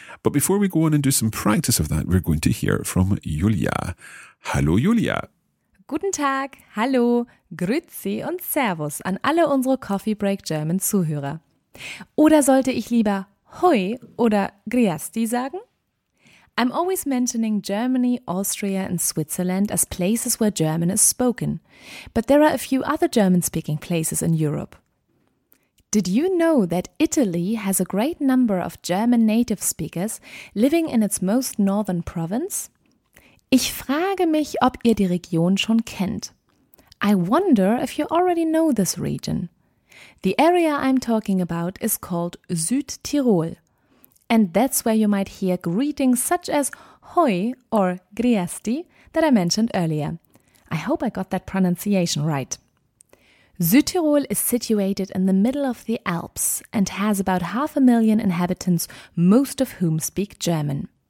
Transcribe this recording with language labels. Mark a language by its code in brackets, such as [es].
[en] But before we go on and do some practice of that, we're going to hear from Julia. [de] Hallo, Julia. Guten Tag, hallo, grüezi und servus an alle unsere Coffee Break German Zuhörer. Oder sollte ich lieber hoi oder griasti sagen? [en] I'm always mentioning Germany, Austria and Switzerland as places where German is spoken. But there are a few other German-speaking places in Europe. Did you know that Italy has a great number of German native speakers living in its most northern province? [de] Ich frage mich, ob ihr die Region schon kennt. [en] I wonder if you already know this region. The area I'm talking about is called Südtirol. And that's where you might hear greetings such as hoi or griesti that I mentioned earlier. I hope I got that pronunciation right. Südtirol is situated in the middle of the Alps and has about 500,000 inhabitants, most of whom speak German.